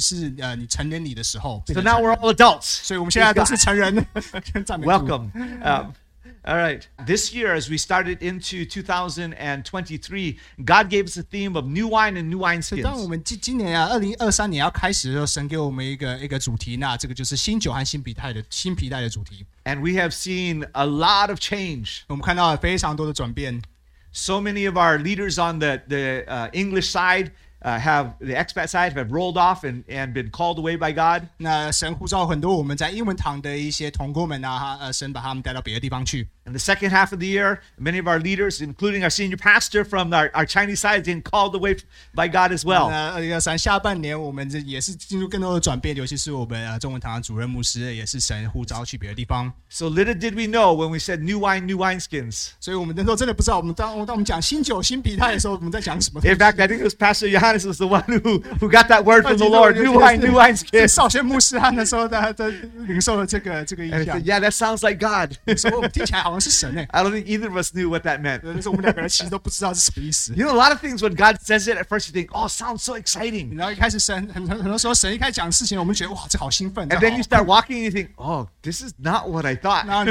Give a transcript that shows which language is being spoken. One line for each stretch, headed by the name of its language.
Chinese: 所以在犹太人的社会中，在13岁是你成年礼的时候。
English: So now we're all adults.
Chinese: 所以我们现在都是成人。
English: Welcome. All right. This year, as we started into 2023, God gave us a theme of new wine and new wine skins.
Chinese: 当我们今年2023年要开始的时候，神给我们一个主题，那这个就是新酒和新皮带的主题。
English: And we have seen a lot of change.
Chinese: 我们看到了非常多的转变。
English: So many of our leaders on the English side, the expat side, have rolled off and been called away by God.
Chinese: 那神呼召很多我们在英文堂的一些同工们啊，神把他们带到别的地方去。
English: In the second half of the year, many of our leaders, including our senior pastor from our Chinese side, being called away by God as well.
Chinese: 2023下半年，我们也是进入更多的转变，尤其是我们中文堂的主任牧师也是神呼召去别的地方。
English: So little did we know when we said new wine, new wineskins.
Chinese: 所以我们那时候真的不知道，我们讲新酒新皮带的时候，我们在讲什么。
English: In fact, I think it was Pastor Johannes was the one who got that word from the Lord. New wine, new wineskins.
Chinese: 少先牧师他那时候他领受了这个印象。
English: Yeah, that sounds like God.
Chinese: 所以听起来好。
English: I don't think either of us knew what that meant. You know, a lot of things when God says it at first, you think, oh, sounds so exciting. And then you start walking and you think, oh, this is not what I thought.